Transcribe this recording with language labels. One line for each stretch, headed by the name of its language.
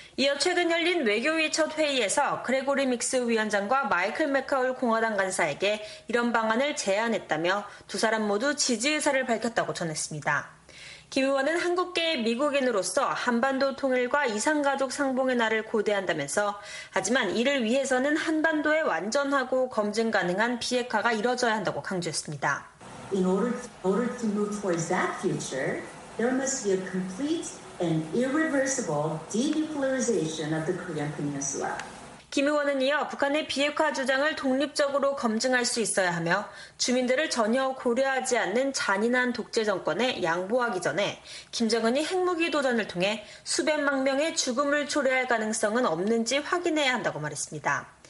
Korean: 이어 최근 열린 외교위 첫 회의에서 그레고리 믹스 위원장과 마이클 맥카울 공화당 간사에게 이런 방안을 제안했다며 두 사람 모두 지지 의사를 밝혔다고 전했습니다. 김 의원은 한국계 미국인으로서 한반도 통일과 이산가족 상봉의 날을 고대한다면서 하지만 이를 위해서는 한반도의 완전하고 검증 가능한 비핵화가 이뤄져야 한다고 강조했습니다.
English: In order to move towards that future, there must be a complete an irreversible denuclearization of the Korean Peninsula.
Korean: 김 의원은 이어 북한의 비핵화 주장을 독립적으로 검증할 수 있어야 하며 주민들을 전혀 고려하지 않는 잔인한 독재 정권에 양보하기 전에 김정은이 핵무기 도전을 통해 수백만 명의 죽음을 초래할 가능성은 없는지 확인해야 한다고 말했습니다.